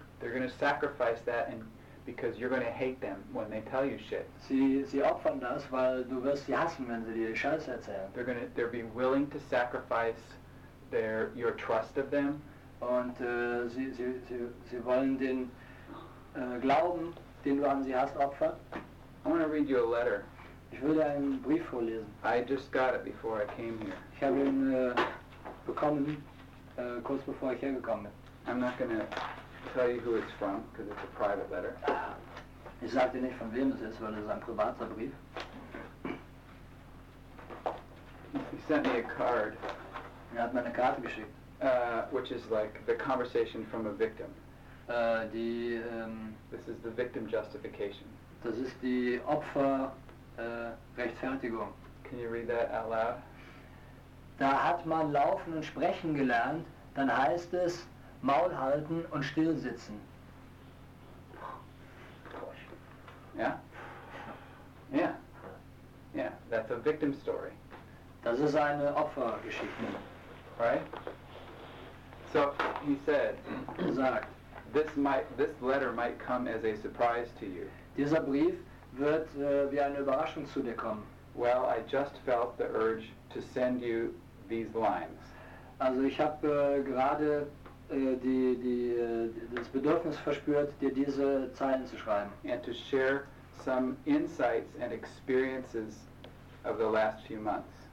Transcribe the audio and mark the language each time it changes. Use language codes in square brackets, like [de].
[en] They're going to sacrifice that and because you're going to hate them when they tell you shit. [de] Sie opfern das, weil du wirst sie hassen, wenn sie dir Scheiße erzählen. [en] They're being willing to sacrifice your trust of them. [de] Und sie wollen den Glauben, den du an sie hast, opfern. [en] I want to read you a letter. [de] Ich will dir einen Brief vorlesen. [en] I just got it before I came here. [de] Ich habe ihn bekommen, kurz bevor ich hergekommen bin. [en] I'm not going to tell you who it's from, because it's a private letter. [de] Ich sag dir nicht, von wem es ist, weil es ein privater Brief. [en] He sent me a card. [de] Er hat mir eine Karte geschickt. [en] Which is like the conversation from a victim. This is the victim justification. [de] Das ist die Opferrechtfertigung. [en] Can you read that out loud? [de] Da hat man laufen und sprechen gelernt, dann heißt es, Maul halten und still sitzen. [en] Yeah? Yeah. Yeah, that's a victim story. [de] Das ist eine Opfergeschichte. [en] right? So he said, [de] sagt, [en] this letter might come as a surprise to you. [de] Dieser Brief wird wie eine Überraschung zu dir kommen. [en] Well, I just felt the urge to send you these lines. [de] Also ich habe gerade das Bedürfnis verspürt, dir diese Zeilen zu schreiben. [en] And to share some insights and experiences of the last few months.